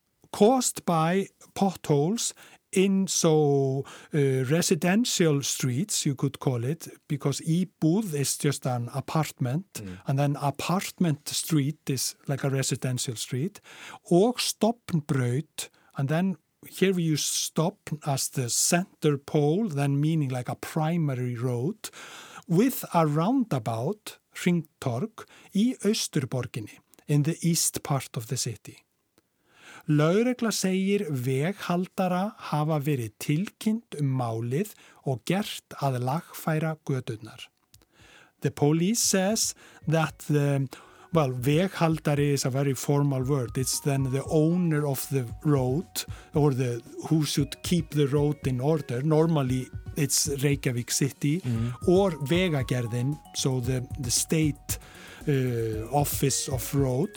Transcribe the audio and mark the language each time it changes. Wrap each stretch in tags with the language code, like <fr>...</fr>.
<en>caused by potholes in so residential streets, you could call it, because íbúð is just an apartment, and then apartment street is like a residential street, og stoppbraut, and then here we use stop as the center pole, then meaning like a primary road, with a roundabout, hringtorg, í Austurborginni, in the east part of the city.</en> <is>Lögregla segir veghaldara hafa verið tilkynnt málið og gert að lagfæra göturnar.</is> <en>The police says that the, well, veghaldari is a very formal word. It's then the owner of the road or the who should keep the road in order. Normally it's Reykjavík City or Vegagerðin, so the state office of roads.</en>